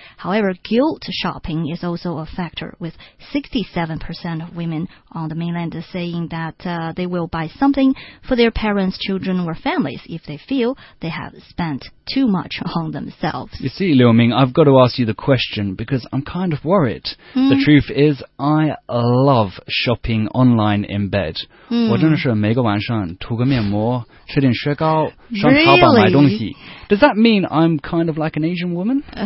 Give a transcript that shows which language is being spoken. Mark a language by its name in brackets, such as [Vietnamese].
[English] However, guilt shopping is also a factor, with 67% of women on the mainland saying that they will buy something for their parents, children, or families if they feel they have spent too much on themselves. You see, Liu Ming, I've got to ask you the question because I'm kind of worried. The truth is, I love shopping online in bed. [Chinese] 我真的是每个晚上涂个面膜，吃点雪糕，上淘宝买东西。 [English] Does that mean I'm kind of like an Asian woman?